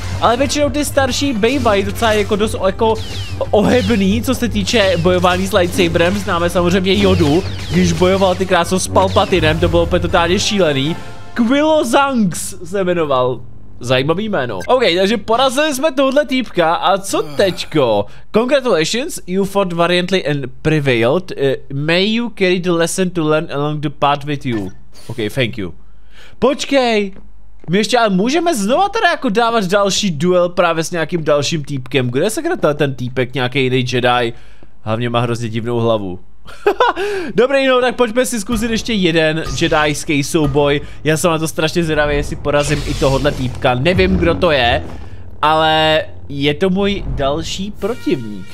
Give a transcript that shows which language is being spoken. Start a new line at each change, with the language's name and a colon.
Czech: Ale většinou ty starší bejvají docela jako dost jako ohebný, co se týče bojování s lightsaberem, známe samozřejmě Jodu, když bojoval ty krásou s Palpatinem, to bylo opět totálně šílený. Quillozanx se jmenoval. Zajímavý jméno. OK, takže porazili jsme tohle týpka a co teďko?
English: Congratulations, you fought valiantly and prevailed. May you carry the lesson to learn along the path with you. OK, thank you.
Czech: Počkej! My ještě ale můžeme znova teda jako dávat další duel právě s nějakým dalším týpkem. Kde se kratel ten týpek, nějaký jiný Jedi? Hlavně má hrozně divnou hlavu. Dobrý, no tak pojďme si zkusit ještě jeden jedajský souboj. Já jsem na to strašně zvědavý, jestli porazím i tohohle týpka. Nevím, kdo to je, ale je to můj další protivník.